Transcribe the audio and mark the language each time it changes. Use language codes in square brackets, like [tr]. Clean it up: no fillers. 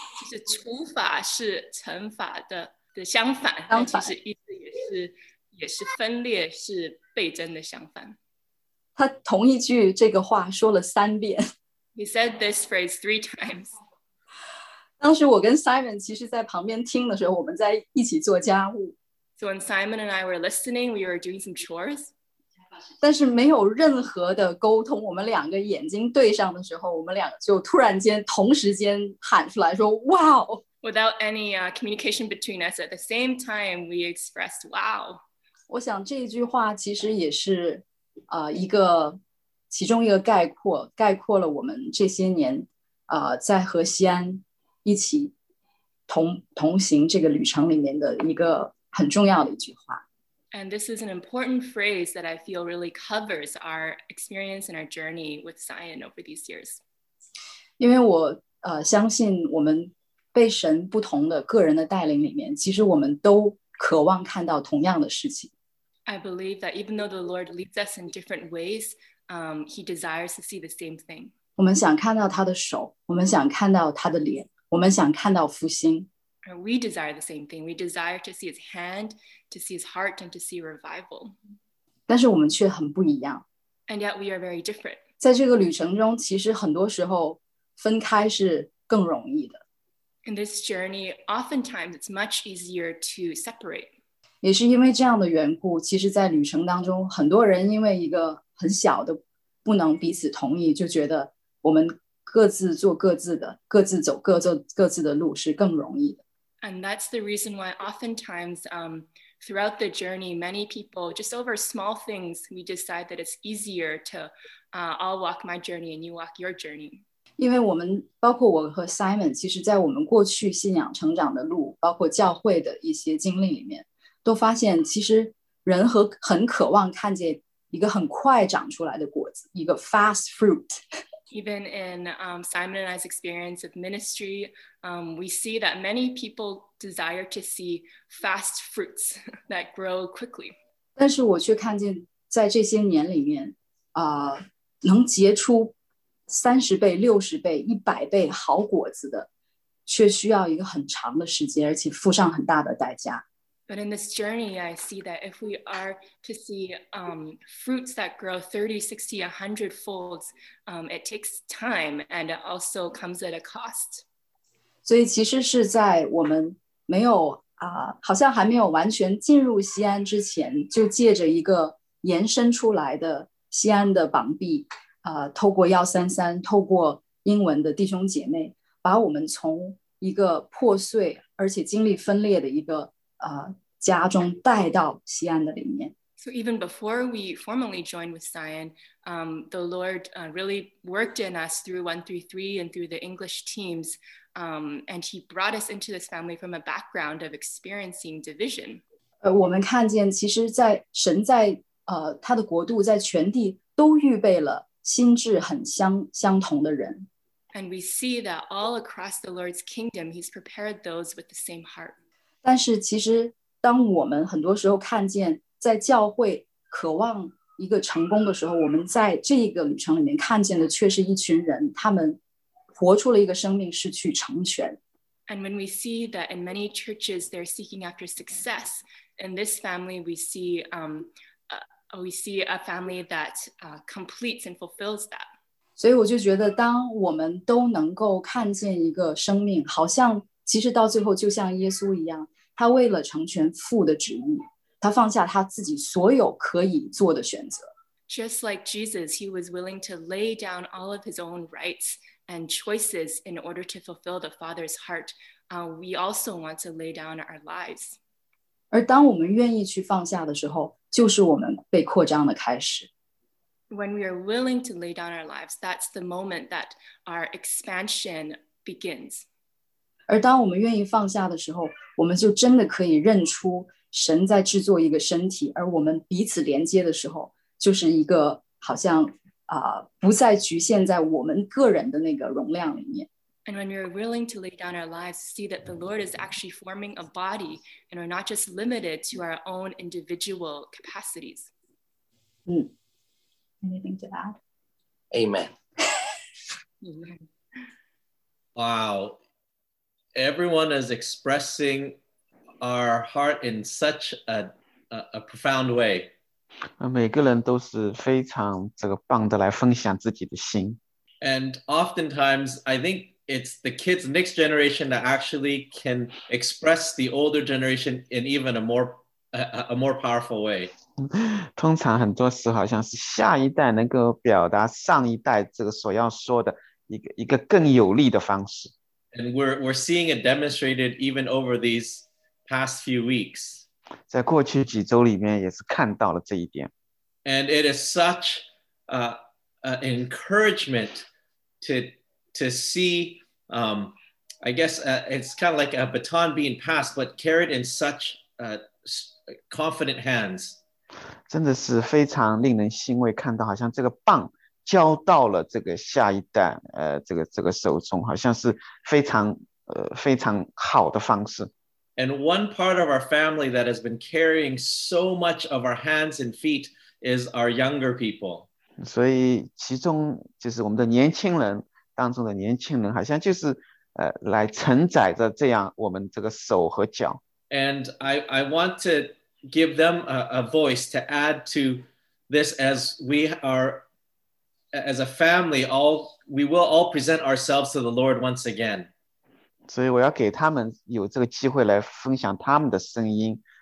[zh] 就是除法是乘法的相反，但其实意思也是分裂是倍增的相反。他同一句这个话说了三遍。 [en] He said this phrase three times. [zh] 当时我跟 Simon 其实在旁边听的时候，我们在一起做家务。 [en] So when Simon and I were listening, we were doing some chores. [zh] 但是没有任何的沟通，我们两个眼睛对上的时候，我们两个就突然间同时间喊出来说 Wow! [en] Without any communication between us, at the same time, we expressed wow. [zh] 我想这句话其实也是一个其中一个概括了我们这些年在和西安一起同行这个旅程里面的一个很重要的一句话。 [en] And this is an important phrase that I feel really covers our experience and our journey with Zion over these years. [zh] 因为我相信我们被神不同的个人的带领里面，其实我们都渴望看到同样的事情。 [en] I believe that even though the Lord leads us in different ways, he desires to see the same thing. [zh] 我们想看到他的手，我们想看到他的脸，我们想看到复兴。 [en] We desire the same thing. We desire to see his hand, to see his heart, and to see revival. [zh] 但是我们却很不一样。 [en] And yet we are very different. [zh] 在这个旅程中，其实很多时候分开是更容易的。 [en] In this journey, oftentimes it's much easier to separate. [zh] 也是因为这样的缘故，其实在旅程当中，很多人因为一个很小的不能彼此同意，就觉得我们各自做各自的，各自走各自的路是更容易的。 [en] And that's the reason why oftentimes, throughout the journey, many people, just over small things, we decide that it's easier to, I'll walk my journey and you walk your journey. [zh] 因为我们，包括我和 Simon, 其实在我们过去信仰成长的路，包括教会的一些经历里面，都发现其实人和很渴望看见一个很快长出来的果子，一个 [en] fast fruit。 Even in Simon and I's experience of ministry, we see that many people desire to see fast fruits that grow quickly. [zh] 但是我却看见在这些年里面，能结出30倍、60倍、100倍好果子的，却需要一个很长的时间，而且付上很大的代价。 [en] But in this journey, I see that if we are to see fruits that grow 30, 60, 100 folds, it takes time and it also comes at a cost. [zh] 所以其实是在我们没有好像还没有完全进入西安之前，就借着一个延伸出来的西安的膀臂，透过133，透过英文的弟兄姐妹，把我们从一个破碎而且经历分裂的一个家中带到西安的里面。 [en] So even before we formally joined with Sion, the Lord really worked in us through 133 and through the English teams, and he brought us into this family from a background of experiencing division. [zh] 我们看见其实在神在他的国度在全地都预备了心智很相同的人。 [en] And we see that all across the Lord's kingdom, he's prepared those with the same heart. [zh] 但是其实当我们很多时候看见在教会渴望一个成功的时候，我们在这个旅程里面看见的却是一群人，他们活出了一个生命是去成全。 [en] And when we see that in many churches they're seeking after success, in this family we see a family that completes and fulfills that. [zh] 所以我就觉得当我们都能够看见一个生命，好像其实到最后就像耶稣一样，他为了成全父的旨意，他放下他自己所有可以做的选择。 [en] Just like Jesus, he was willing to lay down all of his own rights and choices in order to fulfill the Father's heart. We also want to lay down our lives. [zh] 而当我们愿意去放下的时候，就是我们被扩张的开始。 [en] When we are willing to lay down our lives, that's the moment that our expansion begins. [zh] 而当我们愿意放下的时候，我们就真的可以认出神在制作一个身体，而我们彼此连接的时候，就是一个好像不再局限在我们个人的那个容量里面。 [en] And when we're willing to lay down our lives, see that the Lord is actually forming a body, and we're not just limited to our own individual capacities. Anything to add? Amen. Wow. Everyone is expressing our heart in such a profound way. [zh] 每个人都是非常这个棒的来分享自己的心。 [en] And oftentimes, I think it's the kids next generation that actually can express the older generation in even a more powerful way. [zh] 通常很多时候好像是下一代能够表达上一代这个所要说的一个更有力的方式。 [en] And we're seeing it demonstrated even over these past few weeks. [zh] 在过去几周里面也是看到了这一点。 [en] And it is such an encouragement to see, I guess it's kind of like a baton being passed, but carried in such confident hands. [zh] 真的是非常令人欣慰，看到好像这个棒交到了这个下一代，这个手中，好像是非常好的方式。 [en] And one part of our family that has been carrying so much of our hands and feet is our younger people. [zh] 所以其中就是我们的年轻人当中的年轻人好像就是来承载着这样我们这个手和脚。 [en] And I want to give them a voice to add to this as we are, as a family, all, we will all present ourselves to the Lord once again. [zh] 所以我要给他们有这个机会来分享他们的声音。